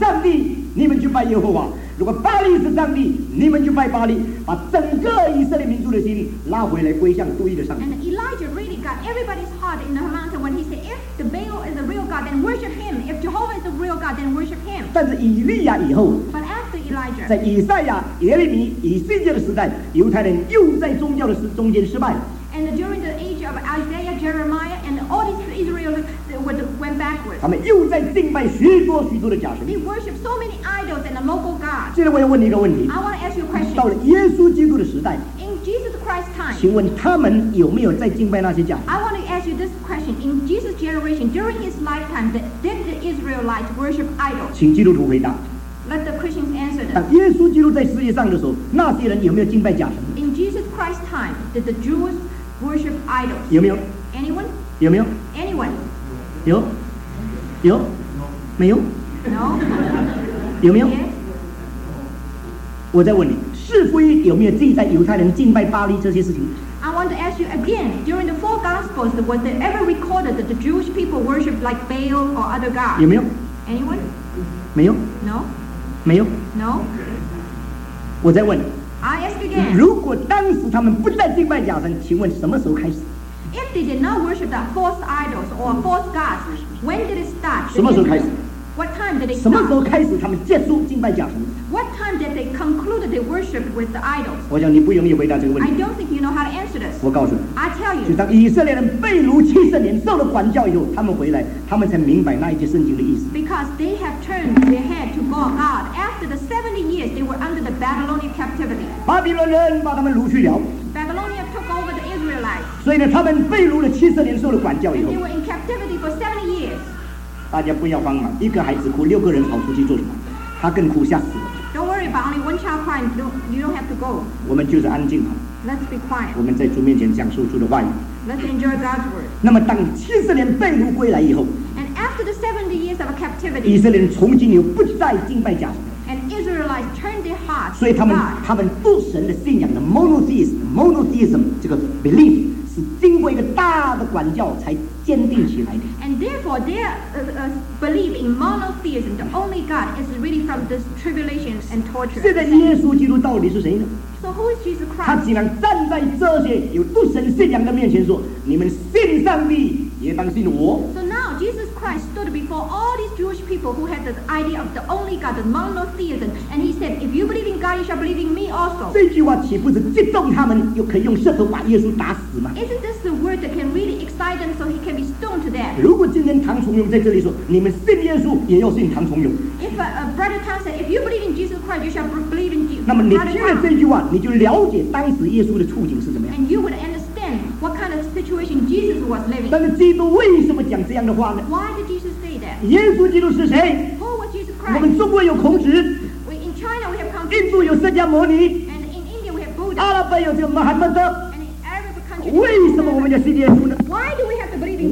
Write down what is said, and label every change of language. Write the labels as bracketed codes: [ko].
[zh] 以利亚在加密的山上，借着复兴以前的挑战说：“如果耶和华是上帝，你们就拜耶和华。” 如果巴利是上帝，你们就拜巴利，把整个以色列民族的心拉回来归向独一的上帝。 [en] And Elijah really got everybody's heart in the mountain when he said, "If the Baal is the real God, then worship him. If Jehovah is the real God, then worship him." [zh] 但是以利亚以后， [en] But after Elijah, [zh] 在以赛亚、耶利米、以西结的时代，犹太人又在宗教的中间失败了。 [en] And during the age of Isaiah, Jeremiah, and all these Israel went backwards. [zh] 他们又在敬拜许多许多的假神。 [en] They worship so many idols and a local god. [zh] 现在我要问你一个问题。 [en] I want to ask you a question. [zh] 到了耶稣基督的时代。 [en] In Jesus Christ's time. [zh] 请问他们有没有在敬拜那些假神？ [en] I want to ask you this question. In Jesus' generation, during his lifetime, did the Israelites worship idols? [zh] 请基督徒回答。 [en] Let the Christians answer this. [zh] 耶稣基督在世界上的时候，那些人有没有敬拜假神？ [en] In Jesus Christ's time, did the Jews worship idols? [zh] 有没有？ [en] Anyone? [zh] 有没有？ [en] Anyone? [zh] 有？有？没有？ [en] No. [zh] 有没有？ [en] Yes. [zh] 我再问你，是非有没有记在犹太人敬拜巴利这些事情？ [en] I want to ask you again, during the four Gospels, was there ever recorded that the Jewish people worshipped like Baal or other gods? [zh] 有没有？ [en] Anyone? [zh] 没有？ [en] No. [zh] 没有？ [en] No. [zh] 我再问。 [en] I ask again. [zh] 如果当时他们不再敬拜假神，请问什么时候开始？ [en] If they did not worship the false idols or false gods, when did it start? [zh] 什么时候开始？ [en] What time did they start? [zh] 什么时候开始他们结束敬拜假神？ [en] What time did they conclude their worship with the idols? [zh] 我想你不容易回答这个问题。 [en] I don't think you know how to answer this. [zh] 我告诉你。 [en] I tell you. [zh] 就当以色列人被掳70年受了管教以后，他们回来，他们才明白那一节圣经的意思。 [en] Because they have turned their head to God. After the 70 years, they were under the Babylonian captivity. [zh] 巴比伦人把他们掳去了。 [en] Babylonia took over the Israelites. [zh] 所以呢，他们被掳了70年受了管教以后。 [en] And they were in captivity for 70 years. [zh] 大家不要慌忙，一个孩子哭，六个人跑出去做什么？他更哭，吓死了。 [en] Don't worry, but only one child crying. You don't have to go. [zh] 我们就是安静好了。 [en] Let's be quiet. [zh] 我们在主面前讲述主的话语。 [en] Let's enjoy God's word. [zh] 那么，当70年被掳归来以后 [en] ，And after the 70 years of captivity, [zh] 以色列人从今又不再敬拜假神。 [en] And Israelites turned their hearts. [zh] 所以他们对神的信仰的 monotheism 这个 belief。是经过一个大的管教才坚定起来的。 [en] And therefore, their belief in monotheism, the only God, is really from this tribulation and torture. [zh] 现在耶稣基督到底是谁呢？ [en] So who is Jesus Christ? [zh] 他竟然站在这些有独神信仰的面前说：“你们信上帝，也当信我。” [en] So now Jesus Christ stood before all these Jewish people who had the idea of the only God, the monotheism, and he said, "If you believe in God, you shall believe in me also." [zh] 这句话岂不是激动他们，又可以用石头把耶稣打死吗？ [en] Isn't this the word that can really excite them so he can be stoned to death? [zh] 如果今天唐崇荣在这里说，你们信耶稣，也要信唐崇荣。 [en] If a brother Tang said, "If you believe in Jesus Christ, you shall believe in Jesus." [zh] 那么你听了这句话，你就了解当时耶稣的处境是怎么样。 [en] And you would understand what kind of situation Jesus was living. [zh] 但是基督为什么讲这样的话呢？ [en] Why did Jesus say that? [zh] 耶稣基督是谁？ [en] Who was Jesus Christ? [zh] 我们中国有孔子。 [en] We in China we have Confucius. [zh] 印度有释迦牟尼。 [en] And in India we have Buddha. [zh] 阿拉伯有这个穆罕默德。为什么我们要信耶稣呢？ [en] Why do we have to believe in